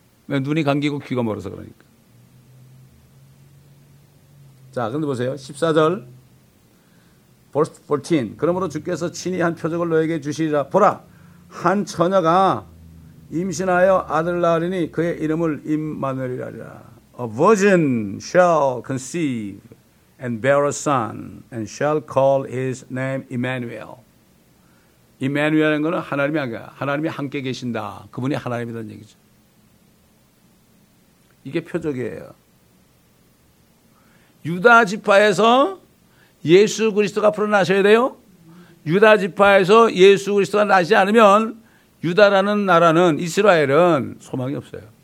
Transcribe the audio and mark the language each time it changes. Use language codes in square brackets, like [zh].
[ko] 왜 눈이 감기고 귀가 멀어서 그러니까. 자, 근데 보세요. 14절. [en] Verse 14. [ko] 그러므로 주께서 친히 한 표적을 너에게 주시리라. 보라. 한 처녀가 임신하여 아들을 낳으리니 그의 이름을 임마누엘이라 하리라. [en] A virgin shall conceive and bear a son and shall call his name Emmanuel. [ko] 이매누엘이라는 것은 하나님이 아니라 하나님이 함께 계신다. 그분이 하나님이라는 얘기죠. 이게 표적이에요. 유다지파에서 예수 그리스도가 풀어나셔야 돼요. 유다지파에서 예수 그리스도가 나지 않으면 유다라는 나라는 이스라엘은 소망이 없어요.